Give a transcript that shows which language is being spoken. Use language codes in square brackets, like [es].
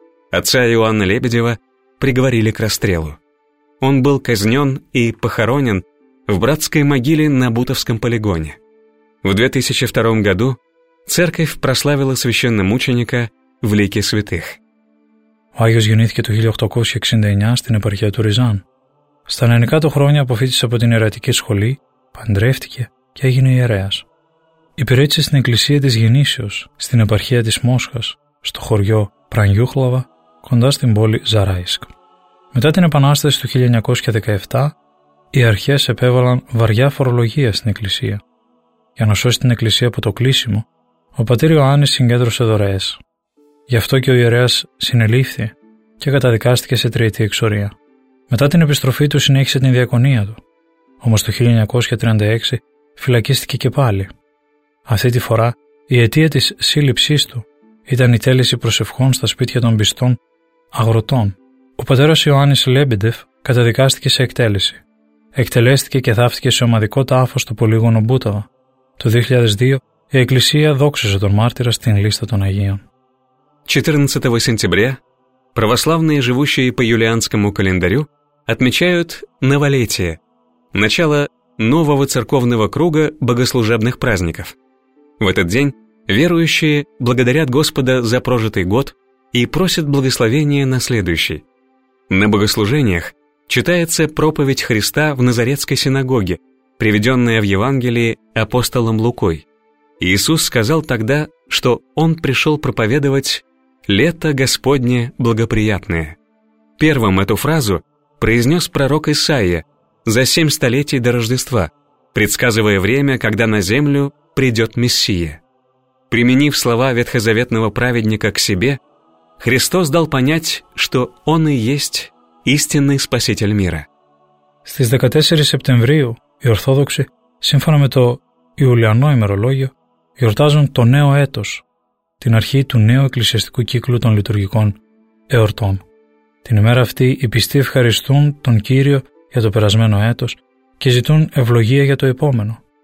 [ru] Отца Иоанна Лебедева приговорили к расстрелу. Он был казнен и похоронен в братской могиле на Бутовском полигоне. В 2002 году церковь прославила священномученика в лике святых. [el] Ο Άγιος γεννήθηκε το 1869 στην επαρχία του Ριζάν. Στα 90 χρόνια αποφύτησε από την ιερατική σχολή, παντρεύτηκε και έγινε ιερέας. Υπηρέτησε στην εκκλησία της Γεννήσεως, στην επαρχία της Μόσχας, στο χωριό Πρανιούχλαβα, κοντά στην πόλη Ζαράισκ. Μετά την Επανάσταση του 1917, οι αρχές επέβαλαν βαριά φορολογία στην εκκλησία. Για να σώσει την εκκλησία από το κλείσιμο, ο πατήρ Ιωάννης συγκέντρωσε δωρεές. Γι' αυτό και ο ιερέας συνελήφθη και καταδικάστηκε σε τριετή εξορία. Μετά την επιστροφή του συνέχισε την διακονία του. Όμως το 1936 φυλακίστηκε και πάλι. Αυτή τη φορά η αιτία της σύλληψής του ήταν η τέλεση προσευχών στα σπίτια των πιστών αγροτών. Ο πατέρας Ιωάννης Λέμπεντεφ καταδικάστηκε σε εκτέλεση. Εκτελέστηκε και θάφτηκε σε ομαδικό τάφο στο πολύγωνο Μπούταβα. Το 2002 η Εκκλησία δόξασε τον μάρτυρα στην λίστα των Αγίων. [ru] 14 [el] σεπτεμβρίου, [ru] православные, живущие по юлианскому календарю, отмечают новолетие, начало нового церковного круга богослужебных праздников. В этот день верующие благодарят Господа за прожитый год и просят благословения на следующий. На богослужениях читается проповедь Христа в Назаретской синагоге, приведенная в Евангелии апостолом Лукой. Иисус сказал тогда, что Он пришел проповедовать «Лето Господне благоприятное». Первым эту фразу произнес пророк Исаия за 7 столетий до Рождества, предсказывая время, когда на землю придет Мессия. Применив слова ветхозаветного праведника к себе, Христос дал понять, что Он и есть истинный Спаситель мира. [el] Στις 14 Σεπτεμβρίου οι Ορθόδοξοι, σύμφωνα με το Ιουλιανό ημερολόγιο, γιορτάζουν το νέο έτος, την αρχή του νέου εκκλησιαστικού κύκλου των λειτουργικών εορτών. Την ημέρα αυτή οι πιστοί ευχαριστούν τον Κύριο για το περασμένο έτος και ζητούν ευλογία για το επόμενο.